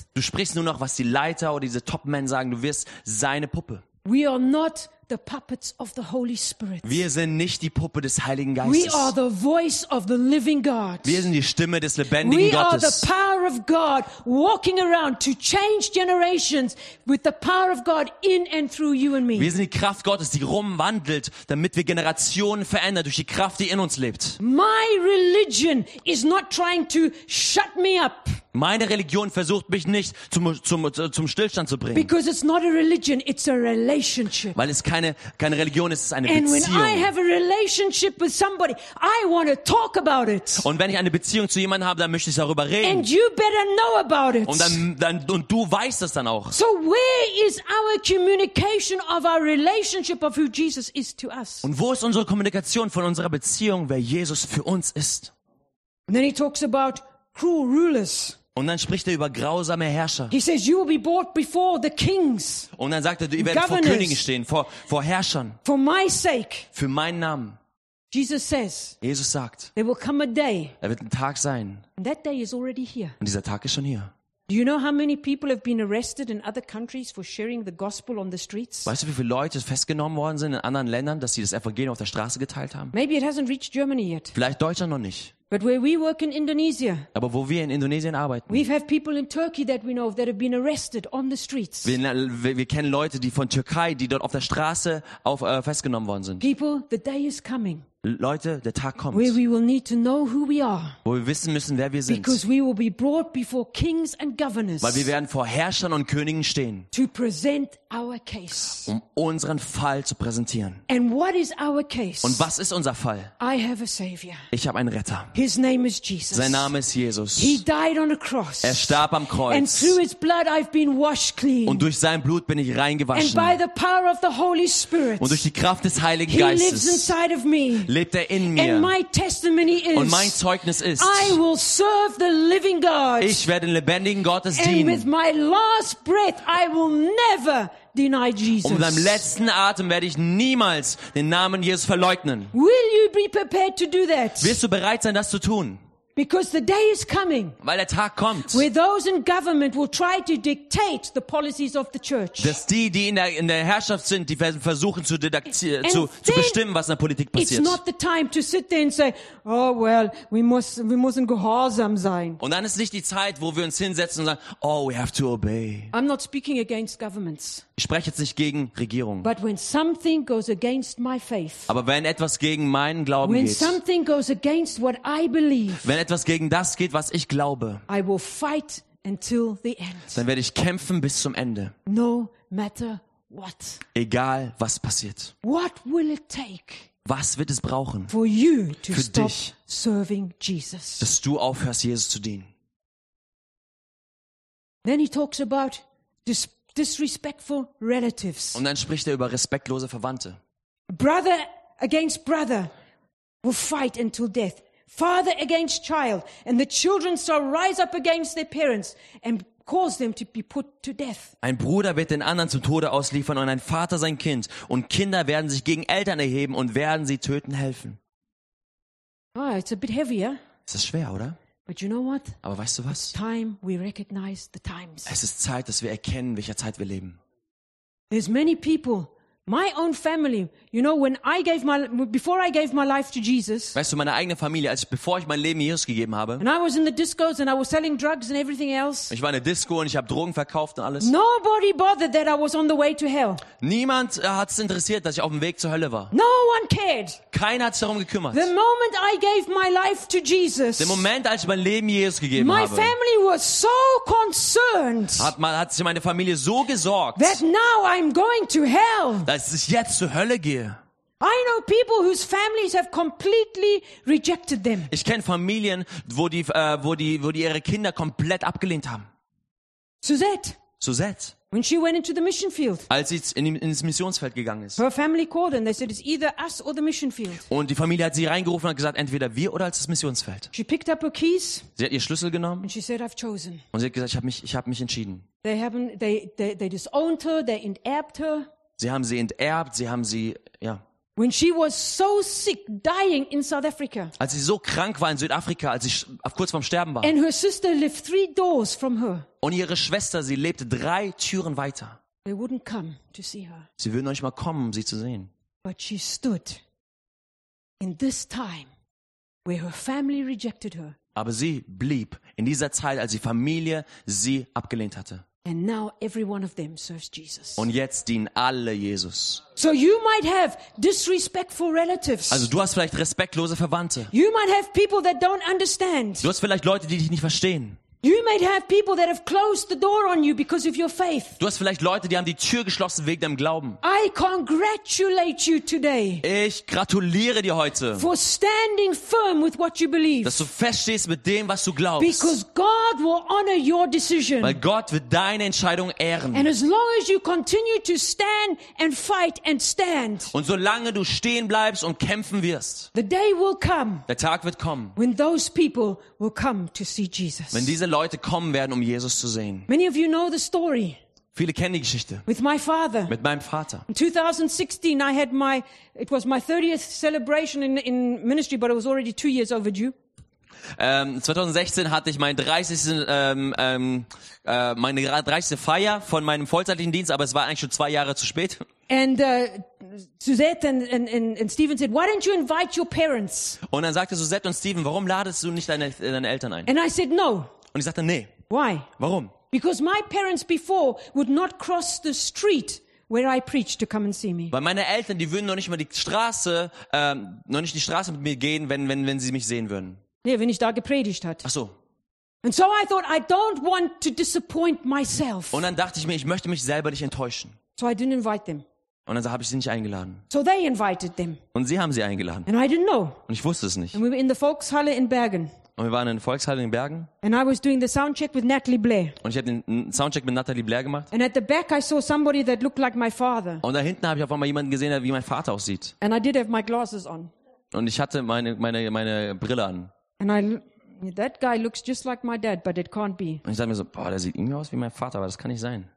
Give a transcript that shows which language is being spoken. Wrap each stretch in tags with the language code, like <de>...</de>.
<de>Du sprichst nur noch, was die Leiter oder diese Top-Man sagen. Du wirst seine Puppe.</de> <en>We are not the puppets of the Holy Spirit.</en> <de>Wir sind nicht die Puppe des Heiligen Geistes.</de> <en>We are the voice of the living God.</en> <de>Wir sind die Stimme des lebendigen Gottes.</de> <en>We are the power of God walking around to change generations with the power of God in and through you and me.</en> <de>Wir sind die Kraft Gottes, die rumwandelt, damit wir Generationen verändern durch die Kraft, die in uns lebt.</de> <en>My religion is not trying to shut me up.</en> <de>Meine Religion versucht mich nicht zum Stillstand zu bringen.</de> <en>Because it's not a religion, it's a relationship.</en> <de>Weil es kein keine Religion, es ist eine Beziehung.</de> <en>And when I have a relationship with somebody, I want to talk about it.</en> <de>Und wenn ich eine Beziehung zu jemandem habe, dann möchte ich darüber reden.</de> <en>And you better know about it.</en> <de>Und dann du weißt das dann auch.</de> <en>So where is our communication of our relationship of who Jesus is to us?</en> <de>Und wo ist unsere Kommunikation von unserer Beziehung, wer Jesus für uns ist?</de> <en>And then he talks about cruel rulers.</en> <de>Und dann spricht er über grausame Herrscher.</de> <en>He says, you will be brought before the kings.</en> <de>Und dann sagt er, ihr werdet vor Königen stehen, vor Herrschern.</de> <en>For my sake.</en> <de>Für meinen Namen.</de> <en>Jesus says.</en> <de>Jesus sagt.</de> <en>There will come a day.</en> <de>Da wird ein Tag sein.</de> <en>And that day is already here.</en> <de>Und dieser Tag ist schon hier.</de> <en>Do you know how many people have been arrested in other countries for sharing the gospel on the streets?</en> <de>Weißt du, wie viele Leute festgenommen worden sind in anderen Ländern, dass sie das Evangelium auf der Straße geteilt haben?</de> <en>Maybe it hasn't reached Germany yet.</en> <de>Vielleicht Deutschland noch nicht.</de> <en>But where we work in Indonesia.</en> <de>Aber wo wir in Indonesien arbeiten.</de> <en>We have people in Turkey that we know of that have been arrested on the streets.</en> <de>Wir kennen Leute, die von Türkei, die dort auf der Straße festgenommen worden sind.</de> <en>People, the day is coming.</en> <de>Leute, der Tag kommt.</de> <en>Where we will need to know who we are.</en> <de>Wo wir wissen müssen, wer wir sind.</de> <en>Because we will be brought before kings and governors.</en> <de>Weil wir werden vor Herrschern und Königen stehen.</de> <en>To present our case.</en> <de>Um unseren Fall zu präsentieren.</de> <en>And what is our case?</en> <de>Und was ist unser Fall?</de> <en>I have a savior.</en> <de>Ich habe einen Retter.</de> <en>His name is Jesus.</en> <de>Sein Name ist Jesus.</de> <en>He died on a cross.</en> <de>Er starb am Kreuz.</de> <en>And through his blood I've been washed clean.</en> <de>Und durch sein Blut bin ich reingewaschen.</de> <en>And by the power of the Holy Spirit.</en> <de>Und durch die Kraft des Heiligen Geistes.</de> <en>He lives inside of me.</en> <de>Lebt er in mir.</de> <en>And my testimony is,</en> <de>und mein Zeugnis ist,</de> <en>I will serve the living God.</en> <de>Ich werde den lebendigen Gottes dienen.</de> <en>And with my last breath, I will never deny Jesus.</en> <de>Und mit meinem letzten Atem werde ich niemals den Namen Jesus verleugnen.</de> <en>Will you be prepared to do that?</en> <de>Wirst du bereit sein, das zu tun?</de> <en>Because the day is coming,</en> <de>weil der Tag kommt,</de> <en>where those in government will try to dictate the policies of the church.</en> <de>Dass die in der Herrschaft sind, die versuchen zu bestimmen, was in der Politik passiert.</de> <en>It's not the time to sit there and say, oh well, we mustn't</en> <de>gehorsam sein. Und dann ist nicht die Zeit, wo wir uns hinsetzen und sagen, oh,</de> <en>we have to obey. I'm not speaking against governments.</en> <de>Ich spreche jetzt nicht gegen Regierungen.</de> <en>But when something goes against my faith,</en> <de>aber wenn etwas gegen meinen Glauben</de> <en>when</en> <de>geht,</de> <en>when something goes against what I believe,</en> <de>wenn etwas gegen das geht, was ich glaube,</de> <en>I will fight until the end.</en> <de>Dann werde ich kämpfen bis zum Ende.</de> <en>No matter what.</en> <de>Egal, was passiert.</de> <en>What will it take,</en> <de>was wird es brauchen,</de> <en>for you to</en> <de>für</de> <en>stop</en> <de>dich,</de> <en>serving Jesus,</en> <de>dass du aufhörst, Jesus zu dienen?</de> <en>Then he talks about disrespectful relatives.</en> <de>Und dann spricht er über respektlose Verwandte.</de> <en>Brother against brother will fight until death. Father against child, and the children shall rise up against their parents and cause them to be put to death.</en> <de>Ein Bruder wird den anderen zum Tode ausliefern und ein Vater sein Kind, und Kinder werden sich gegen Eltern erheben und werden sie töten helfen.</de> <en>Ah, it's a bit heavier.</en> <de>Es ist schwer, oder?</de> <en>But you know what?</en> <de>Aber weißt du was?</de> <en>It's time we recognize the times.</en> <de>Es ist Zeit, dass wir erkennen, welcher Zeit wir leben.</de> <en>There's many people. My own family, you know, when I gave my, before I gave my life to Jesus.</en> <de>Weißt du, meine eigene Familie, bevor ich mein Leben Jesus gegeben habe.</de> <en>And I was in the discos and I was selling drugs and everything else.</en> <de>Ich war in der Disco und ich habe Drogen verkauft und alles.</de> <en>Nobody bothered that I was on the way to hell.</en> <de>Niemand hat es interessiert, dass ich auf dem Weg zur Hölle war.</de> <en>No one cared.</en> <de>Keiner hat sich darum gekümmert.</de> <en>The moment I gave my life to Jesus.</en> <de>Der Moment, als ich mein Leben Jesus gegeben</de> <en>my</en> <de>habe.</de> <en>My family was so concerned.</en> <de>Hat sich meine Familie so gesorgt.</de> <en>That now I'm going to hell.</en> <de>Dass ich jetzt zur Hölle gehe.</de> <en>I know people whose families have completely rejected them.</en> <de>Ich kenne Familien, wo die ihre Kinder komplett abgelehnt haben.</de> <en>Suzette. When she went into the mission field.</en> <de>Als sie ins Missionsfeld gegangen ist.</de> <en>Her family called and they said it's either us or the mission field.</en> <de>Und die Familie hat sie reingerufen und hat gesagt, entweder wir oder als das Missionsfeld.</de> <en>She picked up her keys.</en> <de>Sie hat ihr Schlüssel genommen.</de> <en>And she said, I've chosen.</en> <de>Und sie hat gesagt, ich habe mich entschieden.</de> <en>They disowned her, they enterbed her.</en> <de>Sie haben sie enterbt, sie haben sie, ja.</de> <en>When she was so sick, dying in South Africa.</en> <de>Als sie so krank war in Südafrika, als sie kurz vorm Sterben war.</de> <en>And her sister lived 3 doors from her.</en> <de>Und ihre Schwester, sie lebte 3 Türen weiter.</de> <en>They wouldn't come to see her.</en> <de>Sie würden nicht mal kommen, sie zu sehen.</de> <en>But she stood in this time where her family rejected her.</en> <de>Aber sie blieb in dieser Zeit, als die Familie sie abgelehnt hatte.</de> <en>And now every one of them serves Jesus.</en> <de>Und jetzt dienen alle Jesus.</de> <en>So you might have disrespectful relatives.</en> <de>Also du hast vielleicht respektlose Verwandte.</de> <en>You might have people that don't understand.</en> <de>Du hast vielleicht Leute, die dich nicht verstehen.</de> <en>You might have people that have closed the door on you because of your faith.</en> <de>Du hast vielleicht Leute, die haben die Tür geschlossen wegen deinem Glauben.</de> <en>I congratulate you today.</en> <de>Ich gratuliere dir heute.</de> <en>For standing firm with what you believe.</en> <de>Dass du feststehst mit dem, was du glaubst.</de> <en>Because God will honor your decision.</en> <de>Weil Gott wird deine Entscheidung ehren.</de> <en>And as long as you continue to stand and fight and stand.</en> <de>Und solange du stehen bleibst und kämpfen wirst.</de> <en>The day will come.</en> <de>Der Tag wird kommen.</de> <en>When those people will come to see Jesus.</en> <de>Wenn diese Leute kommen werden, um Jesus zu sehen.</de> <en>Many of you know the story.</en> <de>Viele kennen die Geschichte.</de> <en>With my father.</en> <de>Mit meinem Vater.</de> <en>In 2016 I had my, it was my 30th celebration in ministry, but it was already 2 years overdue.</en> <de>2016 hatte ich meine 30. Feier von meinem vollzeitlichen Dienst, aber es war eigentlich schon 2 Jahre zu spät.</de> <en>And Suzette and Steven said, why don't you invite your parents?</en> <de>Und dann sagte Suzette und Steven, warum ladest du nicht deine Eltern ein?</de> <en>And I said no.</en> <de>Und ich sagte nee.</de> <en>Why?</en> <de>Warum?</de> <en>Because my parents before would not cross the street where I preach to come and see me.</en> <de>Weil meine Eltern, die würden noch nicht die Straße mit mir gehen, wenn sie mich sehen würden. Nee, wenn ich da gepredigt hat. Ach so.</de> <en>And so I thought, I don't want to disappoint myself.</en> <de>Und dann dachte ich mir, ich möchte mich selber nicht enttäuschen.</de> <en>So I didn't invite them.</en> <de>Und dann habe ich sie nicht eingeladen.</de> <en>So they invited them.</en> <de>Und sie haben sie eingeladen.</de> <en>And I didn't know.</en> <de>Und ich wusste es nicht.</de> <en>And we were in the Volkshalle in Bergen.</en> <de>Und wir waren in der Volkshalle in Bergen.</de> <en>And I was doing the soundcheck with Natalie Blair.</en> <de>Und ich habe den Soundcheck mit Natalie Blair gemacht.</de> <en>And at the back I saw somebody that looked like my father.</en> <de>Und da hinten habe ich auf einmal jemanden gesehen, der wie mein Vater aussieht.</de> <en>And I did have my glasses on.</en> <de>Und ich hatte meine Brille an.</de> <en>And I, that guy looks just like my dad, but it can't be.</en> <de>Und ich sag mir so, boah, der sieht irgendwie aus wie mein Vater, aber das kann nicht sein.</de>